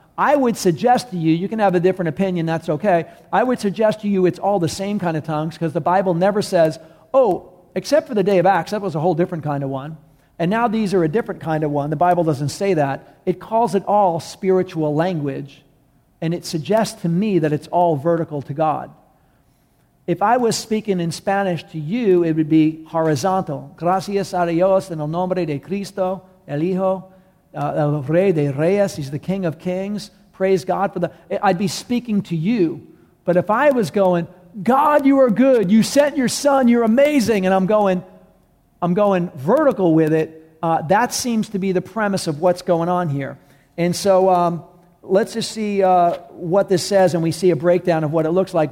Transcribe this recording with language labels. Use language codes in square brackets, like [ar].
[en] I would suggest to you, you can have a different opinion, that's okay. I would suggest to you it's all the same kind of tongues because the Bible never says, oh, except for the day of Acts, that was a whole different kind of one. And now these are a different kind of one. The Bible doesn't say that. It calls it all spiritual language, and it suggests to me that it's all vertical to God. If I was speaking in Spanish to you, it would be horizontal. [es] Gracias a Dios en el nombre de Cristo, el Hijo, el Rey de Reyes, [en] he's the King of Kings. Praise God for the... I'd be speaking to you. But if I was going, God, you are good. You sent your Son. You're amazing. And I'm going vertical with it. That seems to be the premise of what's going on here. And so... let's just see what this says, and we see a breakdown of what it looks like.